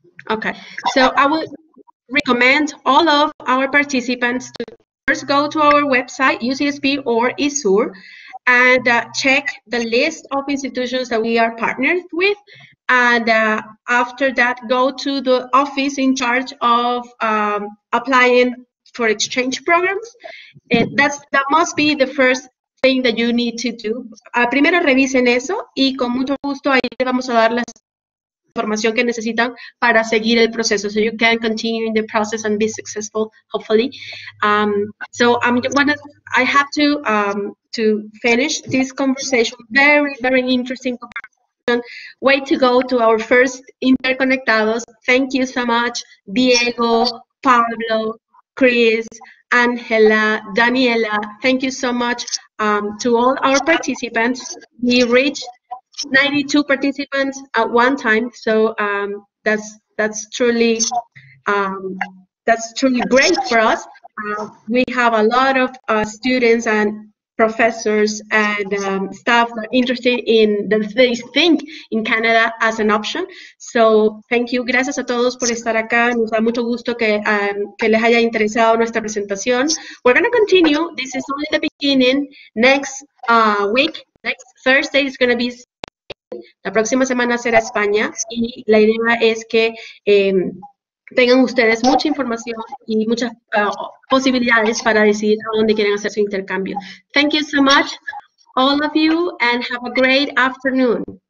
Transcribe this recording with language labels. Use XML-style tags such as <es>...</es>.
<en>Okay, so I would recommend all of our participants to first go to our website, UCSB or ISUR, and check the list of institutions that we are partnered with. And after that, go to the office in charge of applying for exchange programs, that must be the first thing that you need to do.</en> <es>Primero revisen eso y con mucho gusto ahí les vamos a dar la información que necesitan para seguir el proceso.</es> <en>So you can continue in the process and be successful, hopefully. I have to finish this conversation. Very, very interesting conversation. Way to go to our first Interconectados. Thank you so much, Diego, Pablo, Chris, Angela, Daniela, thank you so much to all our participants. We reached 92 participants at one time, so that's truly great for us. We have a lot of students and professors and staff that are interested in they think in Canada as an option. So thank you,</en> <es>gracias a todos por estar acá. Nos da mucho gusto que les haya interesado nuestra presentación.</es> <en>We're going to continue. This is only the beginning. Next week, next Thursday is going to be Spain.</en> <es>La próxima semana será España y la idea es que tengan ustedes mucha información y muchas posibilidades para decidir a dónde quieren hacer su intercambio.</es> <en>Thank you so much, all of you, and have a great afternoon.</en>